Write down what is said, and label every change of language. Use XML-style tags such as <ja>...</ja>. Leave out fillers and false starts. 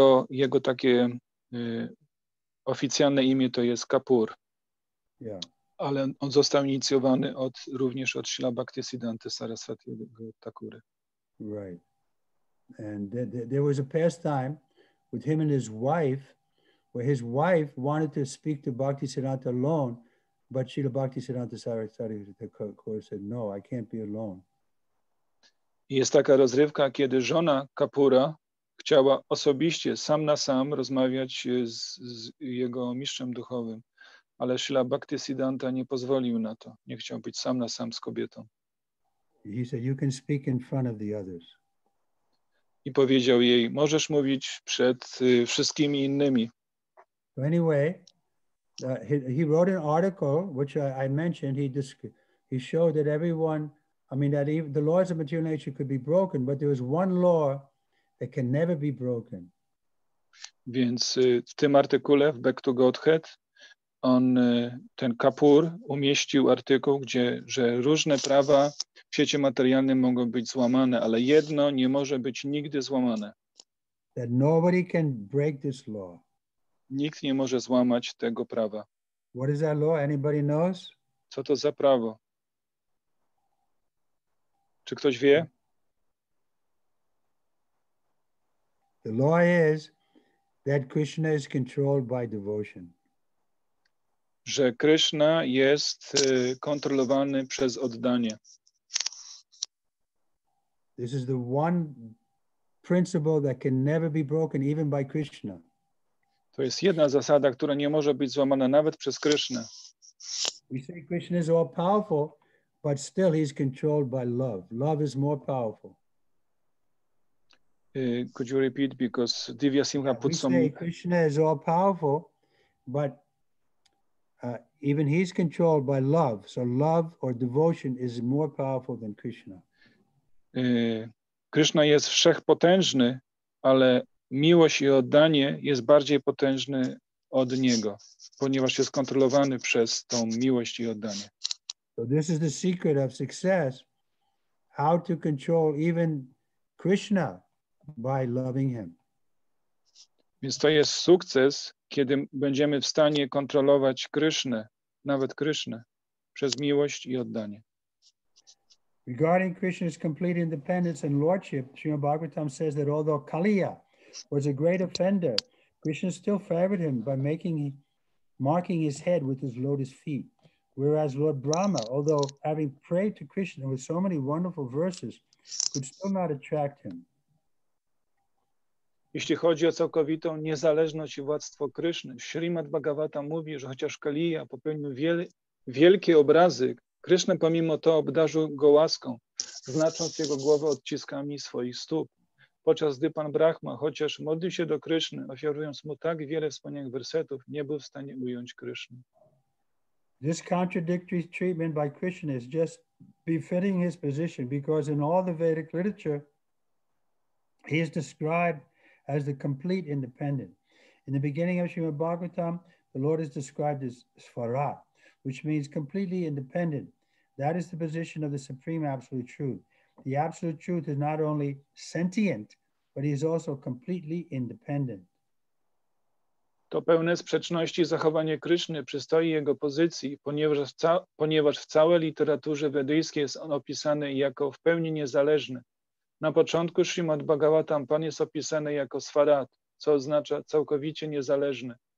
<pl>Jego takie oficjalne imię to jest Kapoor.</pl> <en>Yeah.</en> <pl>Ale on został inicjowany również od Śrila Bhakti Siddhanta Sarasvati Thakura.</pl> <en>Right. And there was a pastime with him and his wife, where his wife wanted to speak to Bhakti Siddhanta alone, but Śrila Bhakti Siddhanta Sarasvati Thakura said, no, I can't be alone.</en> <pl>Jest taka rozrywka, kiedy żona Kapura chciała osobiście, sam na sam, rozmawiać z jego mistrzem duchowym, ale Śrila Bhakti Siddhanta nie pozwolił na to. Nie chciał być sam na sam z kobietą.</pl> <en>He said, you can speak in front of the others.</en> <pl>I powiedział jej, możesz mówić przed wszystkimi innymi.</pl> <en>So anyway, he wrote an article, which I mentioned. He showed that everyone, I mean, that even the laws of material nature could be broken, but there was one law that can never be broken.</en> <pl>Więc w tym artykule w Back to Godhead on ten Kapoor umieścił artykuł, że różne prawa w świecie materialnym mogą być złamane, ale jedno nie może być nigdy złamane.</pl> <en>That nobody can break this law.</en> <pl>Nikt nie może złamać tego prawa.</pl> <en>What is that law? Anybody knows?</en> <pl>Co to za prawo? Czy ktoś wie?</pl> <en>The law is that Krishna is controlled by devotion.</en> <pl>Że Krishna jest kontrolowany przez oddanie.</pl> <en>This is the one principle that can never be broken even by Krishna.</en> <pl>To jest jedna zasada, która nie może być złamana nawet przez Krishna.</pl> <en>We say Krishna is all powerful, but still he's controlled by love. Love is more powerful. Could you repeat? Because Divya Simha put some. We say Krishna is all powerful, but even he's controlled by love. So love or devotion is more powerful than Krishna.</en> <pl>Krishna jest wszechpotężny, ale miłość i oddanie jest bardziej potężny od niego, ponieważ jest kontrolowany przez tą miłość i oddanie.</pl> <en>So this is the secret of success, how to control even Krishna by loving him.</en> <pl>Więc to jest sukces, kiedy będziemy w stanie kontrolować Krishnę, nawet Krishnę, przez miłość i oddanie.</pl> <en>Regarding Krishna's complete independence and lordship, Srimad Bhagavatam says that although Kaliya was a great offender, Krishna still favored him by marking his head with his lotus feet. Whereas Lord Brahma, although having prayed to Krishna with so many wonderful verses, could still not attract him.</en> <pl>Jeśli chodzi o całkowitą niezależność i władztwo Krishny, Srimad Bhagavatam mówi, że chociaż Kaliya popełnił wielkie obrazy, Krishna pomimo to obdarzył go łaską, znacząc jego głowę odciskami swoich stóp. Podczas gdy pan Brahma, chociaż modlił się do Krishny, ofiarując mu tak wiele wspaniałych wersetów, nie był w stanie ująć Krishny.</pl> <en>This contradictory treatment by Krishna is just befitting his position, because in all the Vedic literature, he is described as the complete independent. In the beginning of Srimad Bhagavatam, the Lord is described as Svara, which means completely independent. That is the position of the Supreme Absolute Truth. The Absolute Truth is not only sentient, but he is also completely independent.</en> <pl>To pełne sprzeczności zachowanie Kryszny przystoi jego pozycji, ponieważ w całej literaturze wedyjskiej jest on opisany jako w pełni niezależny. Na początku Srimad Bhagavatam Pan jest opisany jako Svarat, co oznacza całkowicie niezależny.</pl>